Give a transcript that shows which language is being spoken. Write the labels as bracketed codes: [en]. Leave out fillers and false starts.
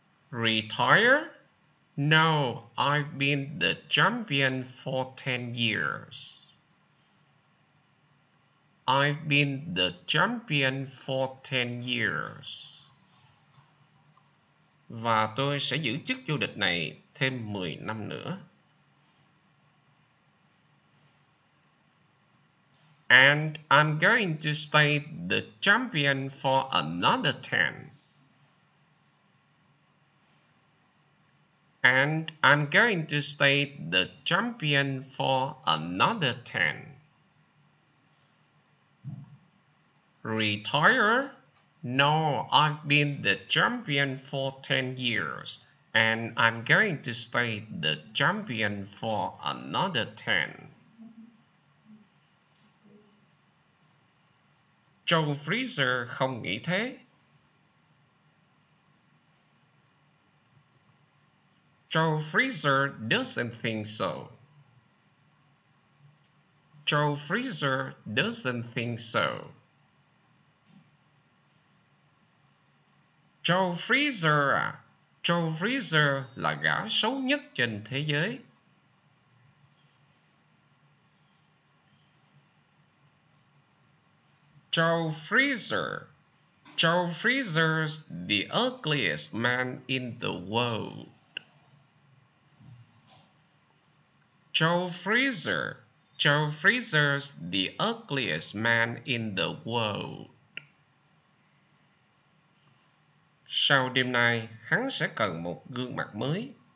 [en] Retire? No, I've been the champion for 10 years. I've been the champion for 10 years. [vi] Và tôi sẽ giữ chức vô địch này thêm 10 năm nữa. [en] And I'm going to stay the champion for another 10. And I'm going to stay the champion for another 10. Retire? No, I've been the champion for 10 years, and I'm going to stay the champion for another 10. [vi] Joe Freezer không nghĩ thế. [en] Joe Freezer doesn't think so. Joe Freezer doesn't think so. [vi] Joe Freezer à, Joe Freezer là gã xấu nhất trên thế giới. [en] Joe Freezer, Joe Freezer's the ugliest man in the world. Joe Freezer, Joe Freezer's the ugliest man in the world. [vi] Sau đêm nay, hắn sẽ cần một gương mặt mới.